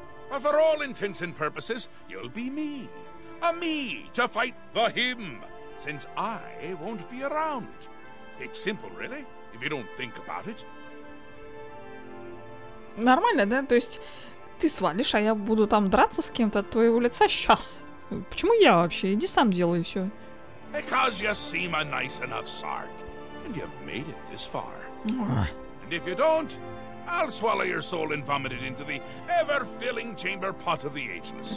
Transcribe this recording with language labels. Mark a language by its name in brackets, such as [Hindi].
[English] But for all intents and purposes, you'll be me. A me to fight the him, since I won't be around. It's simple, really, if you don't think about it. [Russian] Нормально, да? То есть ты свалишь, а я буду там драться с кем-то от твоего лица сейчас. Почему я вообще? Иди сам делай все. [English] Because you seem a nice enough sort, and you've made it this far. And if you don't... I'll swallow your soul and vomit it into the ever-filling chamber pot of the ages.